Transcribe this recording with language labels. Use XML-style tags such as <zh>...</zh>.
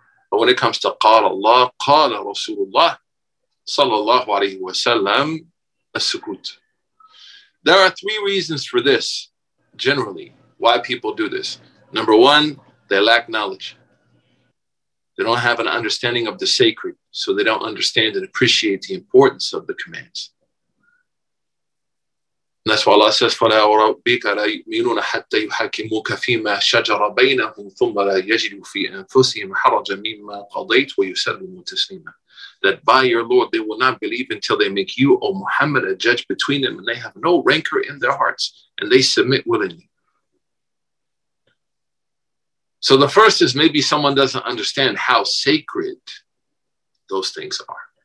<en>But when it comes to qala Allah, qala Rasulullah sallallahu alayhi wa sallam, as-sukut. There are three reasons for this, generally, why people do this. Number one, they lack knowledge. They don't have an understanding of the sacred, so they don't understand and appreciate the importance of the commands.</en> <ar>And that's why Allah says, فَلَا وَرَبِّكَ لَا يُؤْمِنُونَ حَتَّى يُحَكِمُوكَ فِي مَا شَجَرَ بَيْنَهُمْ ثُمَّ لَا يَجِدُوا فِي أَنفُسِهِمْ حَرَجًا مِمَّا قَضَيْتْ وَيُسَلِّمُوا تَسْلِيمًا.</ar> <en>That by your Lord they will not believe until they make you, O Muhammad, a judge between them, and they have no rancor in their hearts, and they submit willingly. So the first is maybe someone doesn't understand how sacred those things are.</en>